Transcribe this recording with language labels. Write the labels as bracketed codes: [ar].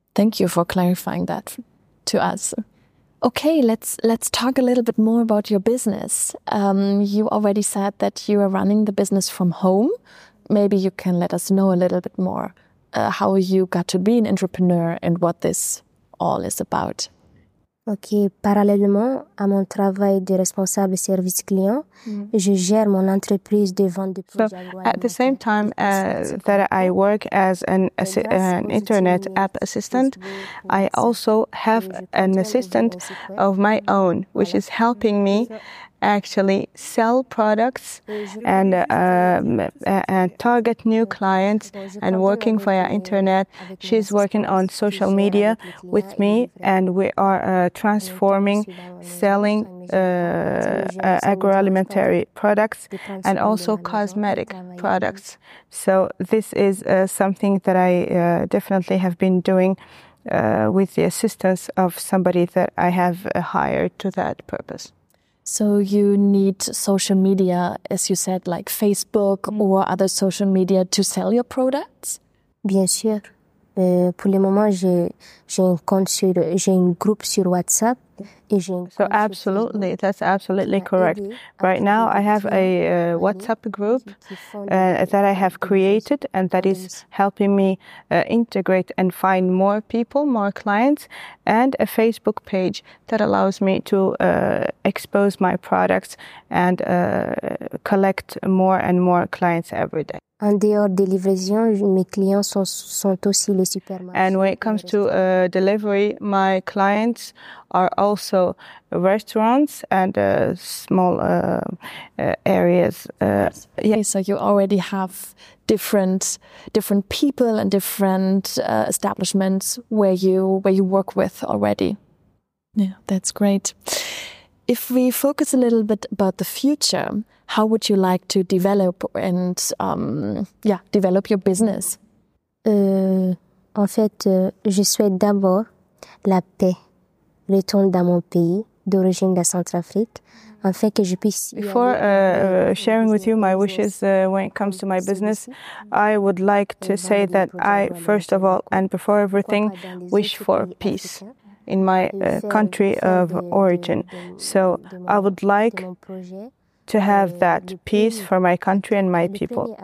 [en] Thank you for clarifying that to us. Okay, let's talk a little bit more about your business. You already said that you are running the business from home. Maybe you can let us know a little bit more how you got to be an entrepreneur and what this all is about. [fr] Okay, parallèlement à mon travail de responsable service client, je gère mon entreprise de vente de produits. [en] At the same time that I work as an internet app assistant, I also have an assistant of my own, which is helping me actually sell products and target new clients and working via internet. She's working on social media with me, and we are transforming selling agroalimentary products and also cosmetic products. So this is something that I definitely have been doing with the assistance of somebody that I have hired to that purpose. So you need social media, as you said, like Facebook or other social media to sell your products? [fr] Bien sûr. Pour le moment, j'ai un groupe sur WhatsApp [en] So absolutely, that's absolutely correct. Right now I have a WhatsApp group that I have created and that is helping me integrate and find more people, more clients, and a Facebook page that allows me to expose my products and collect more and more clients every day. [fr] En dehors des livraisons, mes clients sont aussi les supermarchés. [en] And when it comes to delivery, my clients are also restaurants and small areas. Okay, so you already have different people and different establishments where you work with already. Yeah, that's great. If we focus a little bit about the future, how would you like to develop and develop your business? [fr] En fait, je souhaite d'abord la paix, retourne dans mon pays d'origine de Centrafrique. [en] Before sharing with you my wishes when it comes to my business, I would like to say that I, first of all, and before everything, wish for peace in my country of origin. So I would like to have that peace for my country and my people.